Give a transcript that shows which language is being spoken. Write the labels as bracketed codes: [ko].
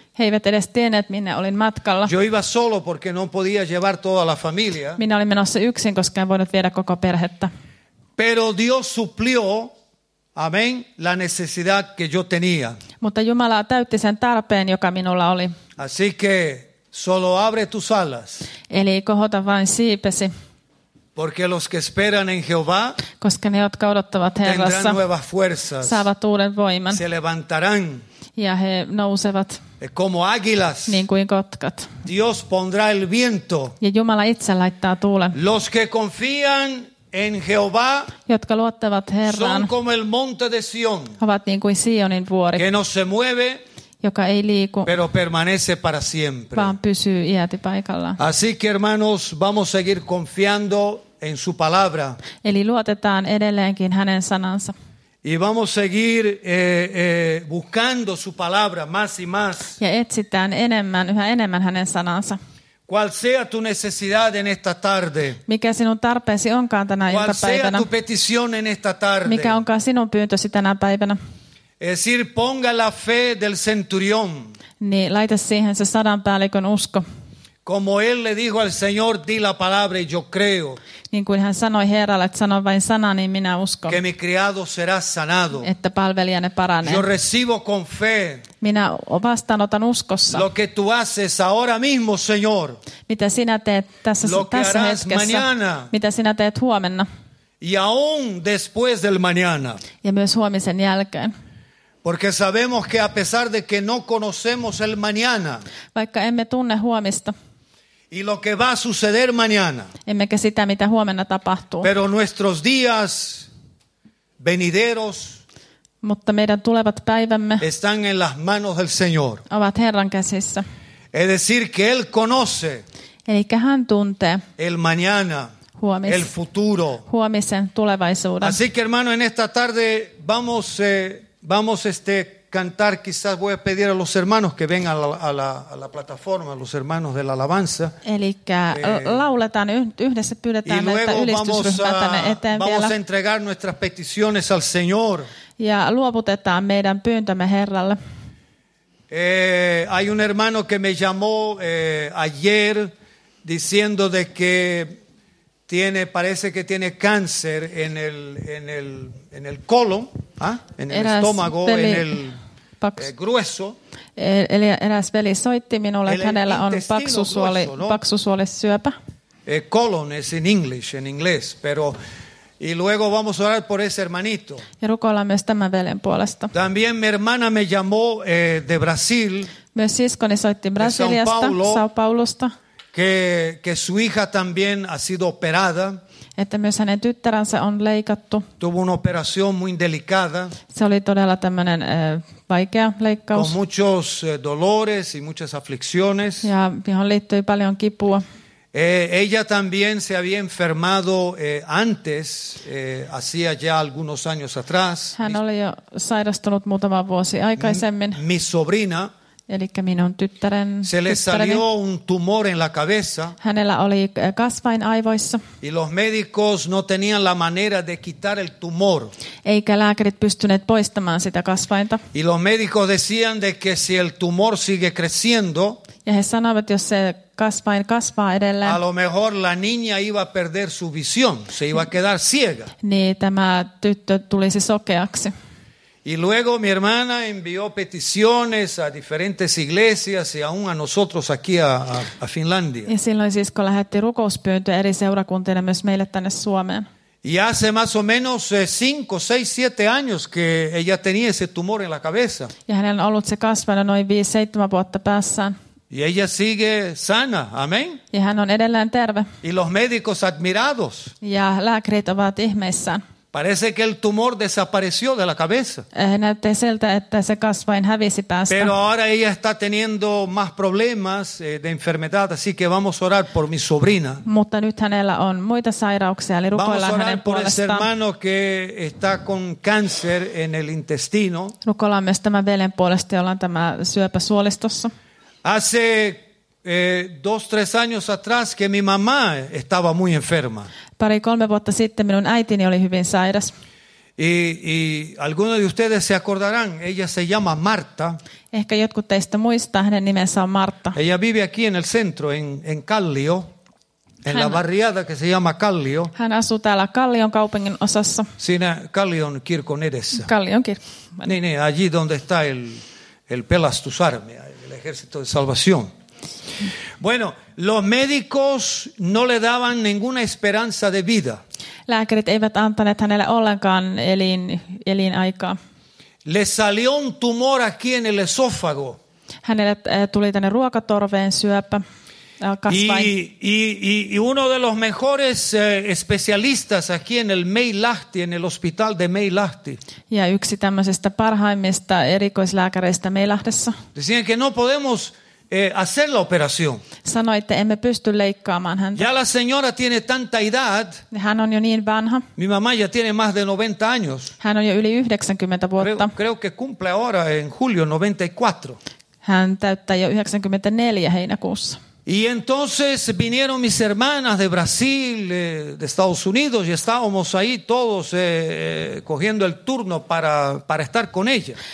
[fi] He eivät edes tienneet, minne olin matkalla. [es] Yo iba solo porque no podía llevar toda la familia. [fi] Minä olin menossa yksin, koska en voinut viedä koko perhettä. [es] Pero Dios suplió, amén, la necesidad que yo tenía. [fi] Mutta Jumala täytti sen tarpeen, joka minulla oli. [es] Así que solo abre tus alas. [fi] Eli kohota vain siipesi. [es] Porque los que esperan en Jehová, [fi] koska ne, jotka odottavat Herrassa, [es] nuevas fuerzas, [fi] saavat uuden voiman. [es] Se levantarán. [fi] Ja he nousevat. [es] Como águilas. [fi] Niin kuin kotkat. [es] Dios pondrá el viento. [fi] Ja Jumala itse laittaa tuulen. [es] Los que confían en Jehová, [fi] jotka luottavat Herraan, [es] son como el monte de Sion, [fi] ovat niin kuin Sionin vuori, [es] que no se mueve, [fi] joka ei liiku, [es] pero permanece para siempre, [fi] vaan pysyy iäti paikallaan. [es] Así que hermanos, vamos a seguir confiando en su palabra. [fi] Eli luotetaan edelleenkin hänen sanansa. [es] Y vamos a seguir buscando su palabra más y más. [fi] Ja etsitään enemmän, yhä enemmän hänen sanansa. [es] Cual sea tu necesidad en esta tarde. [fi] Mikä sinun tarpeesi onkaan tänä iltapäivänä. [es] Cual sea tu petición en esta tarde. [fi] Mikä onkaan sinun pyyntösi tänä päivänä. [es] Es decir, ponga la fe del centurión. [fi] Niin, laita siihen se sadan päällikön usko. [es] Como él le dijo al Señor, di la palabra y yo creo. [fi] Niin kuin hän sanoi Herralle, että sano vain sana, niin minä uskon. [es] Que mi criado será sanado. [fi] Että palvelijanne paranee. [es] Yo recibo con fe. [fi] Minä vastaanotan uskossa. [es] Lo que tú haces ahora mismo, Señor. [fi] Mitä sinä teet tässä, [es] lo que [fi] tässä [es] harás [fi] hetkessä. [es] Mañana. [fi] Mitä sinä teet huomenna. [es] Y aún después del mañana. [fi] Ja myös huomisen jälkeen. [es] Porque sabemos que a pesar de que no conocemos el mañana. [fi] Vaikka emme tunne huomista. [es] Y lo que va a suceder mañana. [fi] Emmekä sitä, mitä huomenna tapahtuu. [es] Pero nuestros días venideros. [fi] Mutta meidän tulevat päivämme. [es] Están en las manos del Señor. [fi] Ovat Herran käsissä. [es] Es decir que él conoce. [fi] Elikkä hän tuntee. [es] El mañana. [fi] Huomis. [es] El futuro. [fi] Huomisen tulevaisuuden. [es] Así que hermano, en esta tarde vamos cantar, quizás voy a pedir a los hermanos que vengan a la plataforma, los hermanos de la alabanza. [fi] Elikkä lauletaan yhdessä, pyydetään meitä ylistysryhmää tänne eteen [es] vamos [fi] vielä. [es] Vamos a entregar nuestras peticiones al Señor. [fi] Ja luovutetaan meidän pyyntömme Herralle. [es] Hay un hermano que me llamó ayer diciendo de que parece que tiene cáncer en el colon, estómago, [fi] veli, [es] en el grueso. [fi] Eli eräs veli soitti minulle, että hänellä on paksusuoli, [es] grueso, no? [fi] Paksusuoli syöpä. [es] Colon es en inglés, pero y luego vamos a orar por ese hermanito. [fi] Ja rukoillaan myös tämän velen puolesta. [es] También mi hermana me llamó de Brasil. [fi] Myös siskoni soitti Brasiliasta, São Paulosta. [es] Que su hija también ha sido operada. [fi] Että myös hänen tyttäränsä on leikattu. [es] Tuvo una operación muy delicada. [fi] Se oli todella tämmöinen vaikea leikkaus. [es] Con muchos dolores y muchas aflicciones. [fi] Ja johon liittyi paljon kipua. [es] Ella también se había enfermado antes, hacía ya algunos años atrás. [fi] Hän oli jo sairastunut muutama vuosi aikaisemmin. [es] Mi sobrina. [fi] Elikkä minun tyttären, [es] se le salió un tumor en la cabeza. [fi] Hänellä oli kasvain aivoissa. [es] Y los médicos no tenían la manera de quitar el tumor. [fi] Eikä lääkärit pystyneet poistamaan sitä kasvainta. [es] Y los médicos decían de que si el tumor sigue creciendo, [fi] ja he sanoivat, jos se kasvain kasvaa edelleen, [es] a lo mejor la niña iba a perder su visión, se iba a quedar ciega. [fi] Niin tämä tyttö tulisi sokeaksi. [es] Y luego mi hermana envió peticiones a diferentes iglesias y aún a nosotros aquí a Finlandia. [fi] Ja silloin sisko lähetti rukouspyyntöjä eri seurakuntiin myös meille tänne Suomeen. [es] Y hace más o menos 5, 6, 7 años que ella tenía ese tumor en la cabeza. [fi] Ja hänellä on ollut se kasvain noin 5-7 vuotta päässään. [es] Y ella sigue sana, amén. [fi] Ja hän on edelleen terve. [es] Y los médicos admirados. [fi] Ja lääkärit ovat ihmeissään. [es] Parece que el tumor desapareció de la cabeza. [fi] Näyttää siltä, että se kasvain hävisi päästä. [es] Pero ahora ella está teniendo más problemas de enfermedad, así que vamos a orar por mi sobrina. [fi] Mutta nyt hänellä on muita sairauksia, eli rukoillaan hänen puolestaan. [es] Vamos a orar por ese hermano que está con cáncer en el intestino. [fi] Rukoillaan myös tämän veljen puolesta, jolla on tämä syöpä suolistossa. [es] Hace 2-3 años atrás que mi mamá estaba muy enferma. [fi] Pari 3 vuotta sitten minun äitini oli hyvin sairas. [es] Y alguno de ustedes se acordarán, ella se llama Marta. [fi] Ehkä jotkut teistä muistaa, hänen nimensä on Marta. [es] Ella vive aquí en el centro, en Callio, en la barriada que se llama Callio. [fi] Hän asuu täällä Kallion kaupungin osassa. Siinä Kallion kirkon edessä. Kallion kirkko. [es] Niin, allí donde está el pelastusarmia, el ejército de salvación. Bueno, los médicos no le daban ninguna esperanza de vida. [fi] Lääkärit eivät antaneet hänelle ollenkaan elinaikaa. [es] Le salió un tumor aquí en el esófago. [fi] Hänelle tuli tänne ruokatorveen syöpä. [es] Y uno de los mejores especialistas aquí en el Meilahti, en el hospital de Meilahti. [fi] Ja yksi tämmöisestä parhaimmista erikoislääkäreistä Meilahdessa. [es] Decían que no podemos hacer la operación. [fi] Sanoitte, emme pysty leikkaamaan häntä. [es] Ya la señora tiene tanta edad. [fi] Hän on jo niin vanha. [es] Mi mamá ya tiene más de 90 años. [fi] Hän on jo yli 90 vuotta. [es] Creo que cumple ahora en julio 94. [fi] Hän täyttää jo 94 heinäkuussa. [es] Y entonces vinieron mis hermanas de Brasil, de Estados Unidos, y estábamos ahí todos cogiendo el turno para estar con ella.